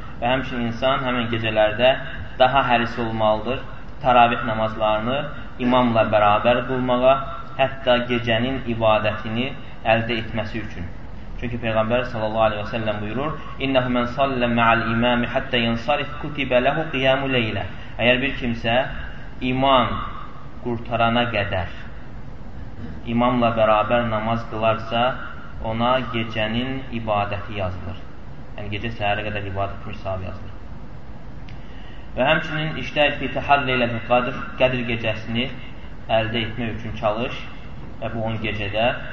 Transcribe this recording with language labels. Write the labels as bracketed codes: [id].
[az] Və həmçinin insan həmin gecələrdə daha həris olmalıdır təravih namazlarını imamla bərabər qılmağa, hətta gecənin ibadətini əldə etməsi üçün. Çünki Peyğəmbər sallallahu aleyhi və səlləm buyurur: [ar] إِنَّهُ مَنْ صَلَّى مَعَ الْإِمَامِ حَتَّى يَنْصَرِفْ كُتِبَ لَهُ قِيَامُ لَيْلَةٍ. [az] Əgər bir kimsə imam qurtarana qədər imamla bərabər namaz qılarsa, ona gecənin ibadəti yazılır. Yəni, gecə səhərə qədər ibadət etmiş sahib yazılır. Və həmçinin iştəyib bir təhəllə ilə qədir gecəsini əldə etmək üçün çalış və bu 10 gecədə.